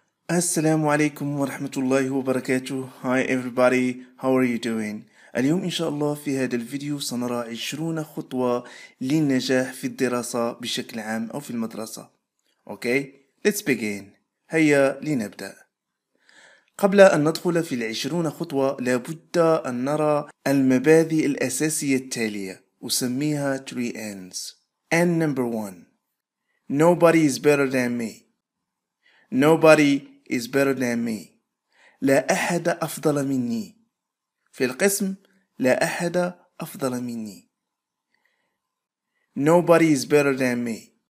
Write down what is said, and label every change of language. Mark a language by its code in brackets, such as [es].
[ar] السلام عليكم ورحمة الله وبركاته. [en] Hi everybody, how are you doing? [ar] اليوم إن شاء الله في هذا الفيديو سنرى 20 خطوة للنجاح في الدراسة بشكل عام أو في المدرسة. [en] Okay, let's begin. [ar] هيا لنبدأ. قبل أن ندخل في 20 خطوة لابد أن نرى المبادئ الأساسية التالية أسميها 3 N's. [en] N number 1, Nobody is better than me. Nobody is better than me. [ar] لا أحد أفضل مني. في القسم لا أحد أفضل مني. [en] Nobody is better than me.